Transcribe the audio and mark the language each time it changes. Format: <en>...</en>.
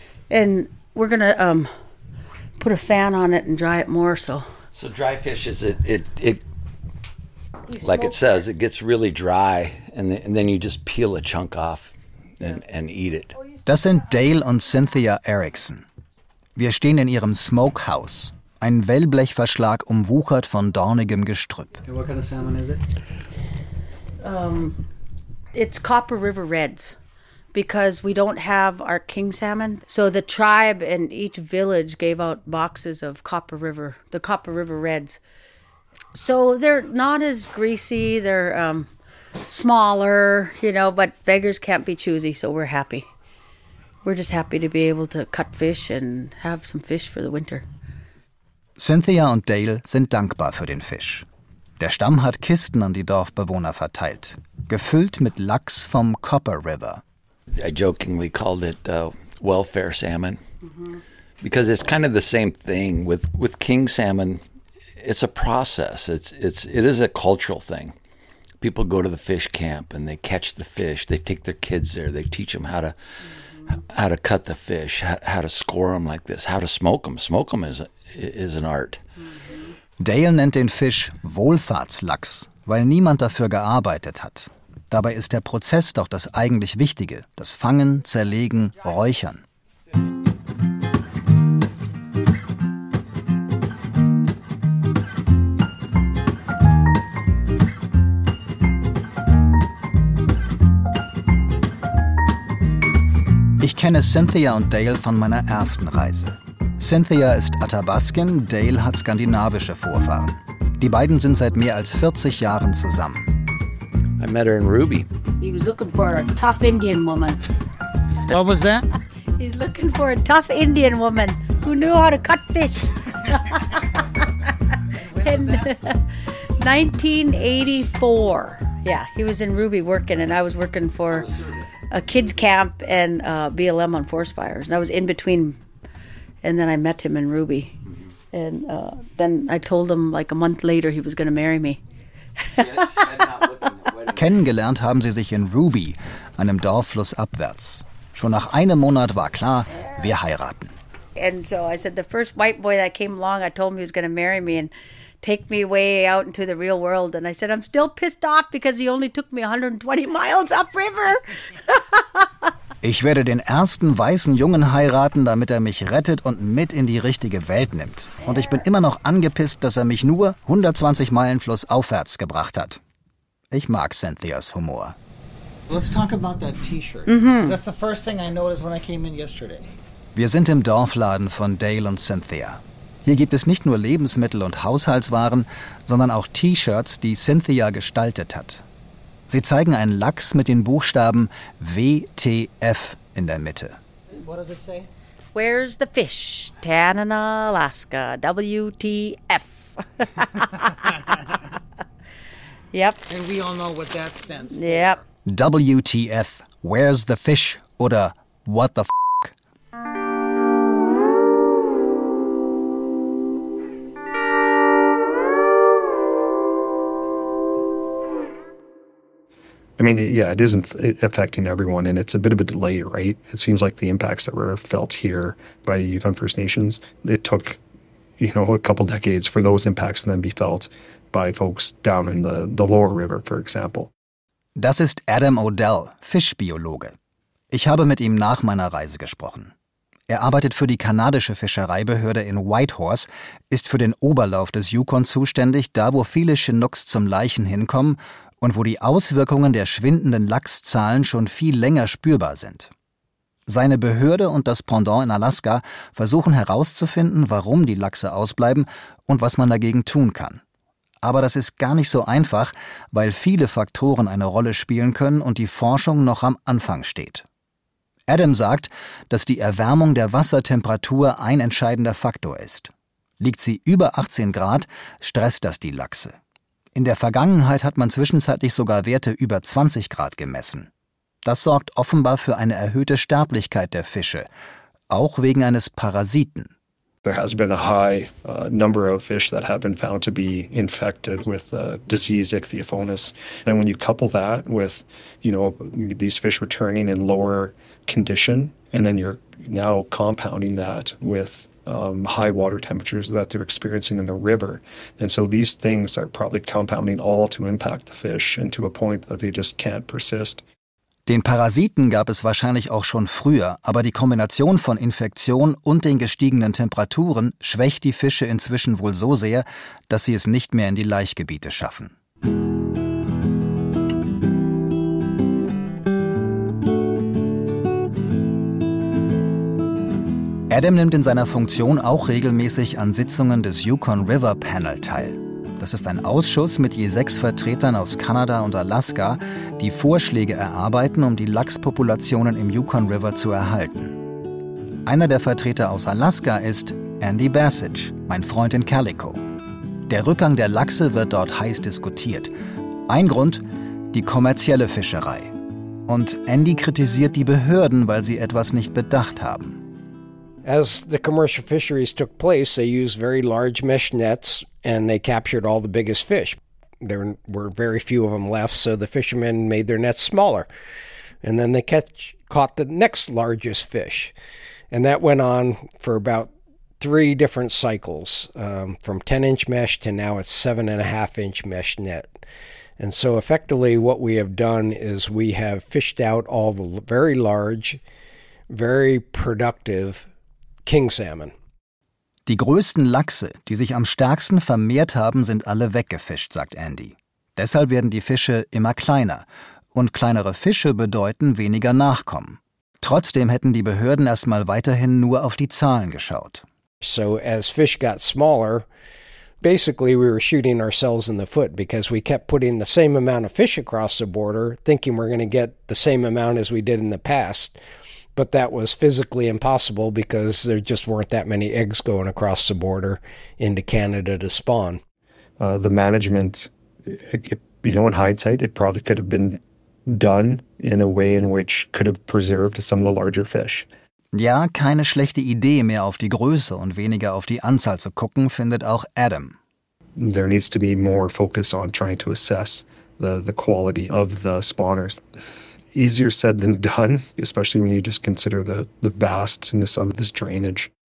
<en>And we're gonna put a fan on it and dry it more so. So dry fish is it like it says, it gets really dry and then you just peel a chunk off and eat it.</en> <de>Das sind Dale und Cynthia Erickson. Wir stehen in ihrem Smokehouse. Ein Wellblechverschlag umwuchert von dornigem Gestrüpp.</de> <en>Okay, what kind of salmon is it? It's Copper River Reds, because we don't have our king salmon. So the tribe and each village gave out boxes of Copper River, the Copper River Reds. So they're not as greasy, they're smaller, you know, but beggars can't be choosy, so we're happy. We're just happy to be able to cut fish and have some fish for the winter.</en> <de>Cynthia und Dale sind dankbar für den Fisch. Der Stamm hat Kisten an die Dorfbewohner verteilt, gefüllt mit Lachs vom Copper River.</de> <en>I jokingly called it welfare salmon, because it's kind of the same thing with king salmon. It's a process. It is a cultural thing. People go to the fish camp and they catch the fish. They take their kids there. They teach them how to cut the fish, how to score them like this, how to smoke them. Smoke them is an art. Mm-hmm.</en> <de>Dale nennt den Fisch Wohlfahrtslachs, weil niemand dafür gearbeitet hat. Dabei ist der Prozess doch das eigentlich Wichtige, das Fangen, Zerlegen, Räuchern. Ich kenne Cynthia und Dale von meiner ersten Reise. Cynthia ist Athabaskin, Dale hat skandinavische Vorfahren. Die beiden sind seit mehr als 40 Jahren zusammen.</de> <en>I met her in Ruby. He was looking for a tough Indian woman. What was that? He's looking for a tough Indian woman who knew how to cut fish. When was that? 1984. Yeah, he was in Ruby working and I was working for a kids camp and BLM on forest fires. And I was in between. And then I met him in Ruby. And then I told him like a month later he was going to marry me.</en> <de>Kennengelernt haben sie sich in Ruby, einem Dorf flussabwärts. Schon nach einem Monat war klar, wir heiraten.</de> <en>And so I said, the first white boy that came along, I told him he was going to marry me and take me way out into the real world. And I said, I'm still pissed off because he only took me 120 miles upriver.</en> <de>Ich werde den ersten weißen Jungen heiraten, damit er mich rettet und mit in die richtige Welt nimmt. Und ich bin immer noch angepisst, dass er mich nur 120 Meilen flussaufwärts gebracht hat. Ich mag Cynthias Humor.</de> <en>Let's talk about that T-shirt. That's the first thing I noticed when I came in yesterday.</en> <de>Wir sind im Dorfladen von Dale und Cynthia. Hier gibt es nicht nur Lebensmittel und Haushaltswaren, sondern auch T-Shirts, die Cynthia gestaltet hat. Sie zeigen einen Lachs mit den Buchstaben WTF in der Mitte.</de> <en>What does it say? Where's the fish? Tanana, Alaska. WTF. Yep. And we all know what that stands for. Yep. WTF. Where's the fish? Oder what the f***? I mean, yeah, it isn't affecting everyone, and it's a bit of a delay, right? It seems like the impacts that were felt here by the youth on First Nations, it took, you know, a couple decades for those impacts to then be felt by folks down in the lower river, for example.</en> <de>Das ist Adam Odell, Fischbiologe. Ich habe mit ihm nach meiner Reise gesprochen. Er arbeitet für die kanadische Fischereibehörde in Whitehorse, ist für den Oberlauf des Yukon zuständig, da wo viele Chinooks zum Laichen hinkommen und wo die Auswirkungen der schwindenden Lachszahlen schon viel länger spürbar sind. Seine Behörde und das Pendant in Alaska versuchen herauszufinden, warum die Lachse ausbleiben und was man dagegen tun kann. Aber das ist gar nicht so einfach, weil viele Faktoren eine Rolle spielen können und die Forschung noch am Anfang steht. Adam sagt, dass die Erwärmung der Wassertemperatur ein entscheidender Faktor ist. Liegt sie über 18 Grad, stresst das die Lachse. In der Vergangenheit hat man zwischenzeitlich sogar Werte über 20 Grad gemessen. Das sorgt offenbar für eine erhöhte Sterblichkeit der Fische, auch wegen eines Parasiten.</de> <en>There has been a high number of fish that have been found to be infected with the disease ichthyophonus. And when you couple that with, you know, these fish returning in lower condition, and then you're now compounding that with high water temperatures that they're experiencing in the river. And so these things are probably compounding all to impact the fish and to a point that they just can't persist.</en> <de>Den Parasiten gab es wahrscheinlich auch schon früher, aber die Kombination von Infektion und den gestiegenen Temperaturen schwächt die Fische inzwischen wohl so sehr, dass sie es nicht mehr in die Laichgebiete schaffen. Adam nimmt in seiner Funktion auch regelmäßig an Sitzungen des Yukon River Panel teil. Das ist ein Ausschuss mit je 6 Vertretern aus Kanada und Alaska, die Vorschläge erarbeiten, um die Lachspopulationen im Yukon River zu erhalten. Einer der Vertreter aus Alaska ist Andy Bassage, mein Freund in Calico. Der Rückgang der Lachse wird dort heiß diskutiert. Ein Grund, die kommerzielle Fischerei. Und Andy kritisiert die Behörden, weil sie etwas nicht bedacht haben.</de> <en>As the commercial fisheries took place, they used very large mesh nets and they captured all the biggest fish. There were very few of them left, so the fishermen made their nets smaller. And then they caught the next largest fish. And that went on for about three different cycles, from 10-inch mesh to now it's 7.5-inch mesh net. And so effectively what we have done is we have fished out all the very large, very productive king salmon.</en> <de>Die größten Lachse, die sich am stärksten vermehrt haben, sind alle weggefischt, sagt Andy. Deshalb werden die Fische immer kleiner. Und kleinere Fische bedeuten weniger Nachkommen. Trotzdem hätten die Behörden erstmal weiterhin nur auf die Zahlen geschaut.</de> <en>So as fish got smaller, basically we were shooting ourselves in the foot because we kept putting the same amount of fish across the border, thinking we're going to get the same amount as we did in the past. But that was physically impossible because there just weren't that many eggs going across the border into Canada to spawn. The management, in hindsight, it probably could have been done in a way in which could have preserved some of the larger fish.</en> <de>Ja, keine schlechte Idee, mehr auf die Größe und weniger auf die Anzahl zu gucken, findet auch Adam.</de> <en>There needs to be more focus on trying to assess the quality of the spawners. Easier said than done, especially when you just consider the vastness of this drainage.</en>